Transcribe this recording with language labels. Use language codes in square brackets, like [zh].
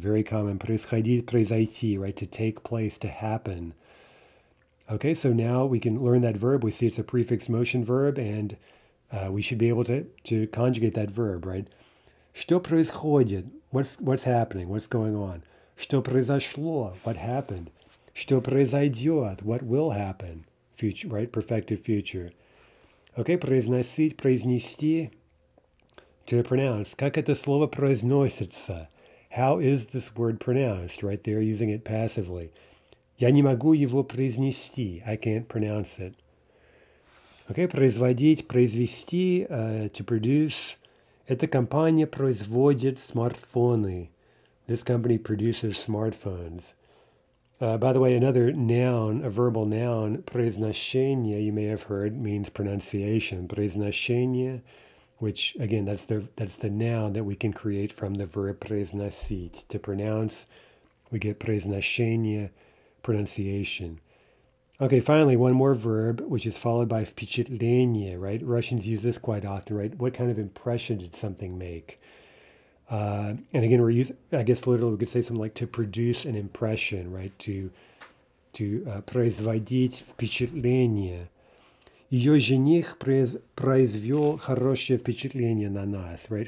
[ru] Происходить, произойти, right? [en] To take place, to happen. Okay, so now we can learn that verb. We see it's a prefixed motion verb, and we should be able to conjugate that verb, right? [ru] Что происходит? [en] What's happening? What's going on? [ru] Что произошло? [en] What happened? [ru] Что произойдет? [en] What will happen? Future, right? Perfective future. [ru] Okay, произносить, произнести. [en] To pronounce. [ru] Как это слово произносится? [en] How is this word pronounced? Right there, using it passively. [ru] Я не могу его произнести. [en] I can't pronounce it. Okay, производить, произвести, to produce. [ru] Эта компания производит смартфоны. [en] This company produces smartphones. By the way, another noun, a verbal noun, произношение, you may have heard, means pronunciation. Произношение, which, again, that's the noun that we can create from the verb произносить, to pronounce. We get произношение, pronunciation. Okay, finally, one more verb, which is followed by впечатление, right? Russians use this quite often, right? What kind of impression did something make? And again, literally we could say something like to produce an impression, right? [ru] To производить впечатление. Ее жених произвел хорошее впечатление на нас, right?